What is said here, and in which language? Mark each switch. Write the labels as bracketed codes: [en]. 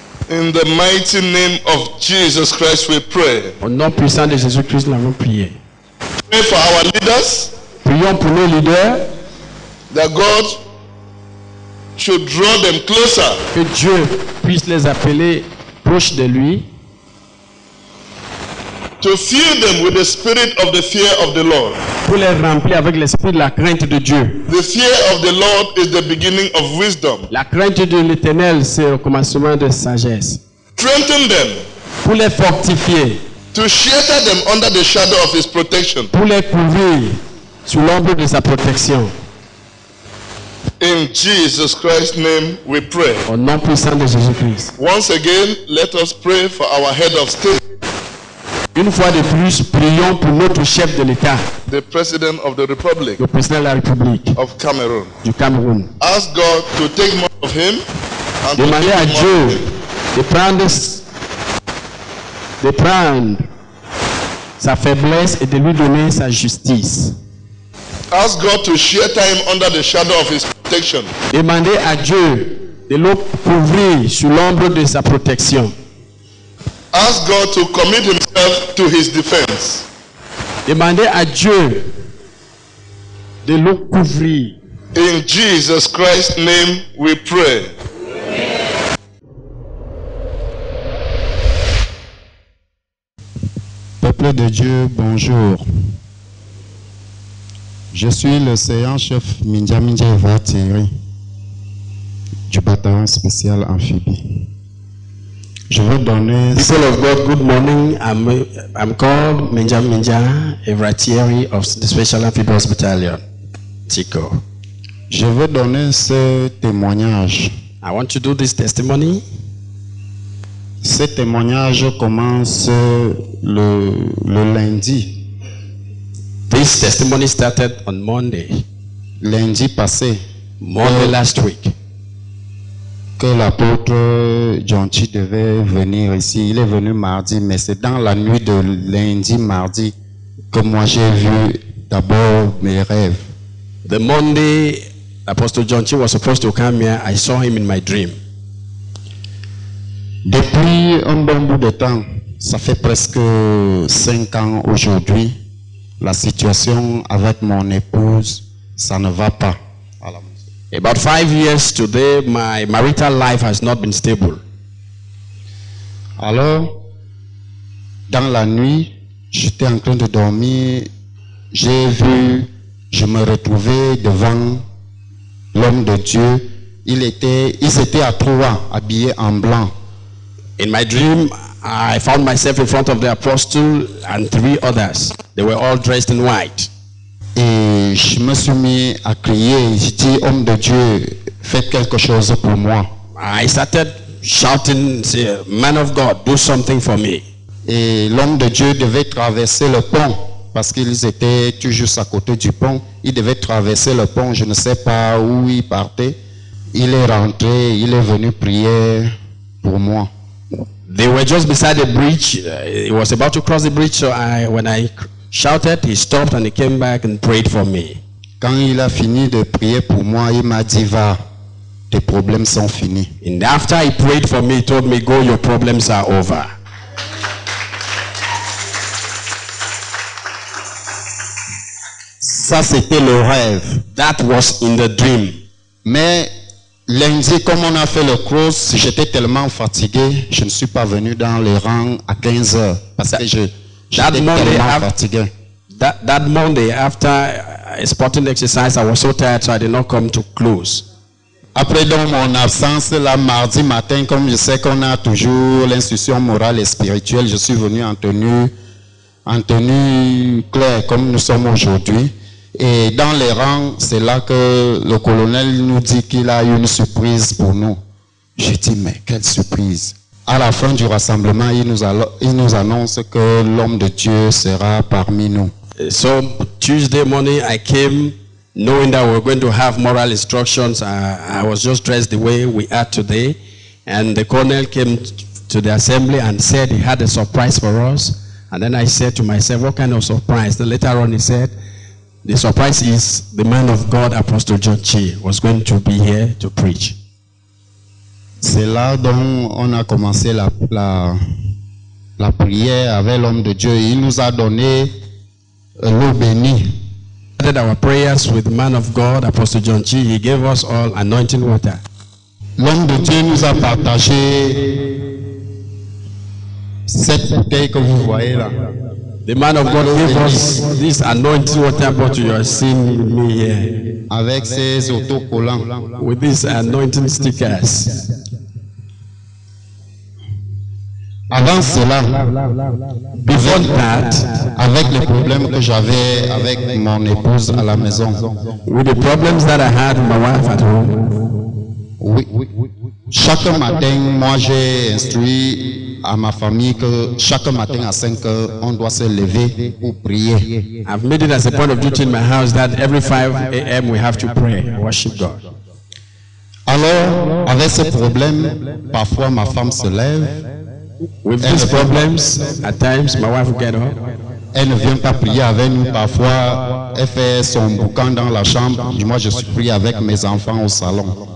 [en] In the mighty name of Jesus Christ, we pray. [fr] Au nom puissant de Jésus Christ, nous avons prié. [en] Pray for our leaders. [fr] Prions pour nos leaders. [en] That God should draw them closer. [fr] Que Dieu puisse les appeler proches de lui. [en] To fill them with the spirit of the fear of the Lord. [fr] Pour les remplir avec l'esprit de la crainte de Dieu. [en] The fear of the Lord is the beginning of wisdom. [fr] La crainte de l'Éternel c'est le commencement de sagesse. [en] Strengthen them. [fr] Pour les fortifier. [en] To shelter them under the shadow of his protection. [fr] Pour les couvrir sous l'ombre de sa protection. [en] In Jesus Christ's name we pray. [fr] Au nom puissant de Jésus Christ. [en] Once again, let us pray for our head of state. [fr] Une fois de plus, prions pour notre chef de l'État. [en] The President of the Republic. [fr] Le président de la République. [en] Of Cameroon. [fr] Du Cameroun. [en] Ask God to take more of him. [fr] Demandez à Dieu de prendre sa faiblesse et de lui donner sa justice. [en] Ask God to shelter him under the shadow of his protection. [fr] Demandez à Dieu de le couvrir sous l'ombre de sa protection. [en] Ask God to commit himself to his defense. [fr] Demandez à Dieu de le couvrir. [en] In Jesus Christ's name we pray. [fr] Peuple de Dieu, bonjour. Je suis le séant chef Mindja Mindja Eva Thierry du bataillon spécial amphibie. Je veux donner. [en] People of God, good morning. I'm called Mindja Mindja Eva Thierry of the Special Amphibious Battalion, TICO. [fr] Je veux donner ce témoignage. [en] I want to do this testimony. [fr] Ce témoignage commence le lundi. [en] This This testimony started on Monday. [fr] Lundi passé. [en] Monday last week. [fr] Que l'apôtre John Chi devait venir ici. Il est venu mardi, mais c'est dans la nuit de lundi mardi que moi j'ai vu d'abord mes rêves. [en] The Monday, Apostle John Chi was supposed to come here. I saw him in my dream. [fr] Depuis un bon bout de temps, ça fait presque 5 ans aujourd'hui, la situation avec mon épouse, ça ne va pas. [en] About 5 years today, my marital life has not been stable. [fr] Alors, dans la nuit, j'étais en train de dormir, j'ai vu, je me retrouvais devant l'homme de Dieu. Ils étaient à trois, habillés en blanc. [en] In my dream, I found myself in front of the apostle and three others. They were all dressed in white. [fr] Et je me suis mis à crier. J'ai dit, homme de Dieu, faites quelque chose pour moi. [en] I started shouting, say, man of God, do something for me. [fr] Et l'homme de Dieu devait traverser le pont parce qu'ils étaient tout juste à côté du pont. Il devait traverser le pont. Je ne sais pas où il partait. Il est rentré. Il est venu prier pour moi. [en] They were just beside the bridge. He was about to cross the bridge, so when I shouted, he stopped and he came back and prayed for me. [fr] Quand il a fini de prier pour moi, il m'a dit, va, tes problèmes sont finis. [en] And after he prayed for me, he told me, go, your problems are over. [fr] Ça, c'était le rêve. [en] That was in the dream. [fr] Mais lundi, comme on a fait le cross, j'étais tellement fatigué, je ne suis pas venu dans les rangs à 15h. Parce que j'étais tellement fatigué. [en] That Monday, after a sporting exercise, I was so tired, so I did not come to close. [fr] Après donc mon absence, la mardi matin, comme je sais qu'on a toujours l'instruction morale et spirituelle, je suis venu en tenue claire, comme nous sommes aujourd'hui. Et dans les rangs, c'est là que le colonel nous dit qu'il a une surprise pour nous. J'ai dit, mais quelle surprise! À la fin du rassemblement, il nous annonce que l'homme de Dieu sera parmi nous. [en] So, Tuesday morning, I came knowing that we were going to have moral instructions. I was just dressed the way we are today. And the colonel came to the assembly and said he had a surprise for us. And then I said to myself, what kind of surprise? Then later on, he said, the surprise is the man of God, Apostle John Chi, was going to be here to preach. [fr] C'est là dont on a commencé la prière avec l'homme de Dieu. Il nous a donné l'eau bénie. [en] We started our prayers with the man of God, Apostle John Chi. He gave us all anointing water. [fr] L'homme de Dieu nous a partagé cette bouteille que vous voyez là. [en] The man of God gave us this anointing water bottle you are seeing me here. [fr] Avec ces autocollants. [en] With these anointing stickers. [fr] Avant cela, [en] before that, [fr] avec les problèmes que j'avais avec mon épouse à la maison, [en] with the problems that I had with my wife at home, [fr] chaque matin, moi j'ai instruit à ma famille que chaque matin à 5 heures, on doit se lever pour prier. [en] I've made it as a point of duty in my house that every 5 a.m. we have to pray, worship God. [fr] Alors, avec ce problème, parfois ma femme se lève. [en] With these problems, at times my wife will get up. [fr] Elle ne vient pas prier avec nous parfois. Elle fait son boucan dans la chambre. Moi, je suis prié avec mes enfants au salon.